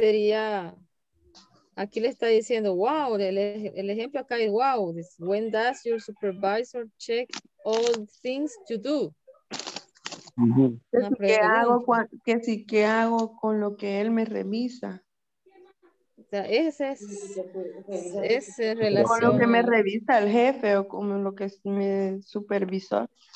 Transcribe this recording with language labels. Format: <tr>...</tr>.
<es>sería, aquí le está diciendo, wow, el ejemplo acá es wow.</es> <en>Es, when does your supervisor check all things you do?</en> <es>¿Qué hago con lo que él me revisa? O sea, ese es ese relación. Con lo que me revisa el jefe o con lo que es mi supervisor.</es>